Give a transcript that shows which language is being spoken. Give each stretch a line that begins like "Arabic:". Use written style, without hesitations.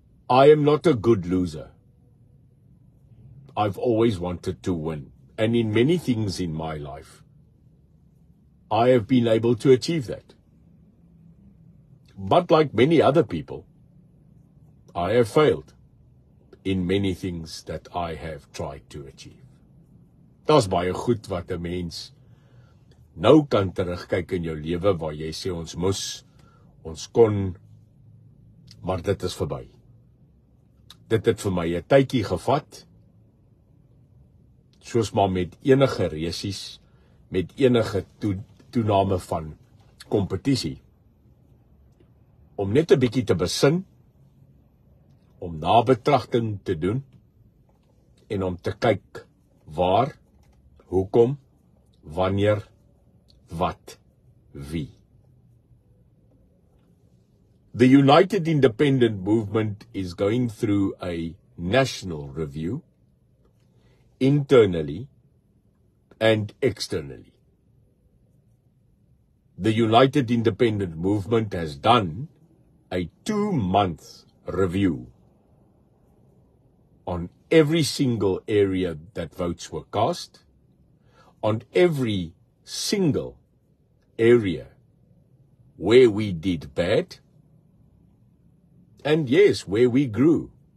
English: I am not a good loser. I've always wanted to win. And in many things in my life, I have been able to achieve that. But like many other people, I have failed in many things that I have tried to achieve.
Afrikaans: Daar's baie goed wat 'n mens nou kan terugkyk in jou lewe waar jy sê ons moes, ons kon, maar dit is verby. Dit het vir my 'n tydjie gevat. Soos maar met enige resies, met enige toename van kompetisie. Om net 'n bietjie te besin, om nabetragting te doen en om te kyk waar, hoekom, wanneer, wat, wie.
English: The United Independent Movement is going through a national review internally and externally. The United Independent Movement has done a 2-month review on every single area that votes were cast, on every single area where we did bad, and yes, where we grew.